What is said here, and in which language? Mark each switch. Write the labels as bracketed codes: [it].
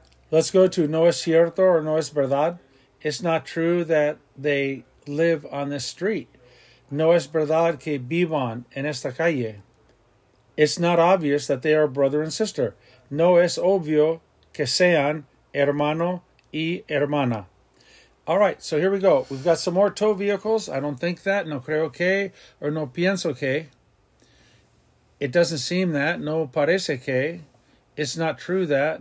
[en] Let's go to [es] no es cierto or no es verdad. [en] It's not true that they live on this street. [es] No es verdad que vivan en esta calle. [en] It's not obvious that they are brother and sister. [es] No es obvio que sean hermano y hermana. [en] All right, so here we go. We've got some more tow vehicles. I don't think that. [es] No creo que or no pienso que. [en] It doesn't seem that. [es] No parece que. [en] It's not true that.